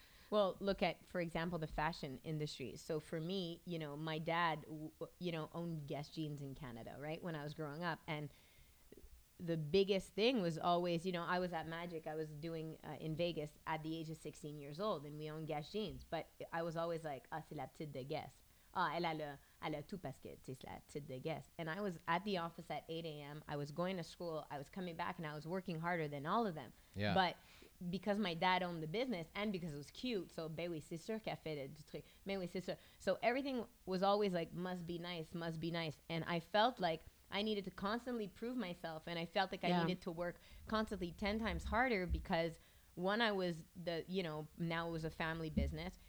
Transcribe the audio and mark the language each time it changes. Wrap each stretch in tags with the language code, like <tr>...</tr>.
<en>Well, look at, for example, the fashion industry. So for me, you know, my dad, owned Guess Jeans in Canada, right? When I was growing up, and the biggest thing was always, you know, I was at Magic. I was doing in Vegas at the age of 16 years old, and we owned Guess Jeans. But I was always like, ah,</en> <fr>c'est la petite de Guess. Ah, elle a tout parce que c'est la petite de Guess.</fr> <en>And I was at the office at 8 a.m. I was going to school. I was coming back, and I was working harder than all of them. Yeah. But because my dad owned the business, and because it was cute, so</en> <fr>ben oui, c'est sûr qu'elle fait du truc. Mais oui, c'est sûr.</fr> <en>So everything was always like, must be nice. And I felt like I needed to constantly prove myself, and I felt like I needed to work constantly 10 times harder because, one, I was the, you know, now it was a family business.</en>